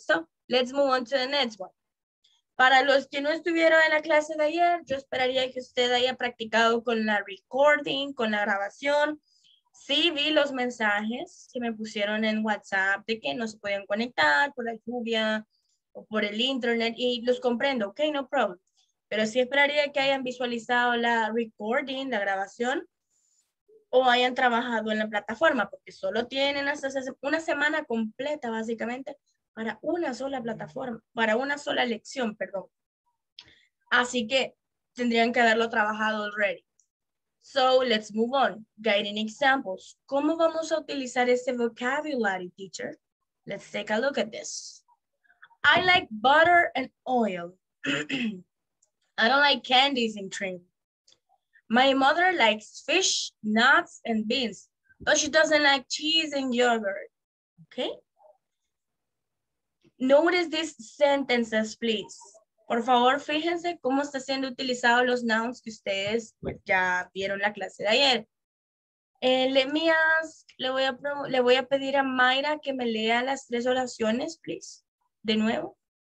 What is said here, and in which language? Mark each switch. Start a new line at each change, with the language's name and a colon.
English: So, let's move on to the next one.
Spanish: Para los que no estuvieron en la clase de ayer, yo esperaría que usted haya practicado con la recording, con la grabación. Sí, vi los mensajes que me pusieron en WhatsApp de que no se podían conectar por la lluvia o por el internet y los comprendo.
English: Ok, no problem.
Spanish: Pero sí esperaría que hayan visualizado la recording, la grabación, o hayan trabajado en la plataforma, porque solo tienen hasta una semana completa, básicamente, para una sola plataforma, para una sola lección, perdón. Así que tendrían que haberlo trabajado already.
English: So, let's move on. Guiding examples.
Spanish: ¿Cómo vamos a utilizar este vocabulary, teacher?
English: Let's take a look at this. I like butter and oil. I don't like candies and cream. My mother likes fish, nuts, and beans, but she doesn't like cheese and yogurt, okay? Notice these sentences, please.
Spanish: Por favor, fíjense cómo está siendo utilizado los nouns que ustedes ya vieron la clase de ayer. Le voy a pedir a Mayra que me lea las tres oraciones, please, de nuevo.